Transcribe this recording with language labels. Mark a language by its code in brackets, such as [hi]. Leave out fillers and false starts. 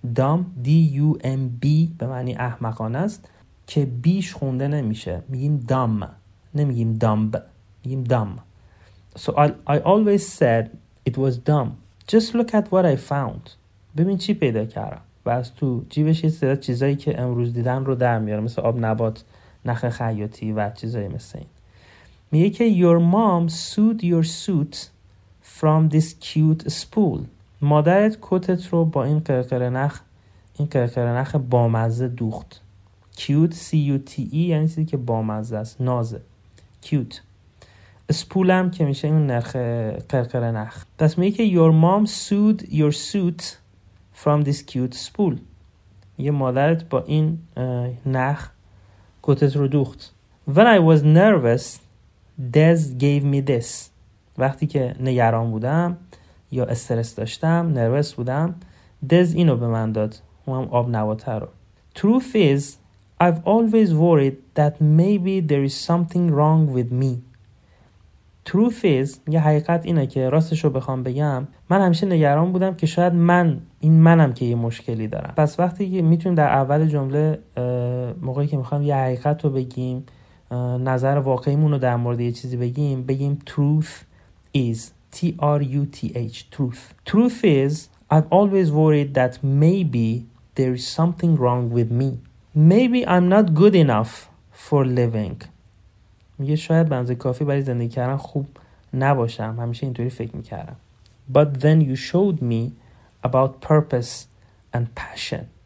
[fa] Dumb, D-U-M-B به معنی احمقانه است که بیش خونده نمیشه، میگیم dumb، نمیگیم dumb، میگیم dumb. [en] So I always said it was dumb. Just look at what I found. [fa] ببین چی پیدا کردم. و از تو جیبش یه سری چیزایی که امروز دیدن رو در میاره، مثل آب نبات، نخ خیاطی و چیزایی مثل این. میگه که [en] Your mom sewed your suit from this cute spool. [fa] مادرت کتت رو با این قرقره نخ، این قرقره نخ بامزه دوخت. Cute, C-U-T-E یعنی چیزی که بامزه است، نازه. [en] Cute. [fa] اسپول هم که میشه این نرخ قرقره نخ. پس میگه که [en] Your mom sewed your suit from this cute spool. [fa] یه مادرت با این نخ کتت رو دوخت. [en] When I was nervous, Dez gave me this. [fa] وقتی که نگران بودم یا استرس داشتم، نروس بودم، Dez اینو به من داد، اونم آب نواتر رو. [en] Truth is, I've always worried that maybe there is something wrong with me. [fa] Truth is، یه حقیقت اینه که راستشو بخوام بگم، من همیشه نگران بودم که شاید من، این منم که یه مشکلی دارم. پس وقتی که میتونیم در اول جمله، موقعی که میخوام یه حقیقت رو بگیم، نظر واقعیمون رو در مورد یه چیزی بگیم، بگیم truth is، T-R-U-T-H، truth. [en] Truth is، I've always worried that maybe there is something wrong with me. Maybe I'm not good enough for living. [fa] میگه شاید به اندازه کافی برای زندگی کردن خوب نباشم، همیشه اینطوری فکر میکردم. [en] But then you showed me about purpose and passion.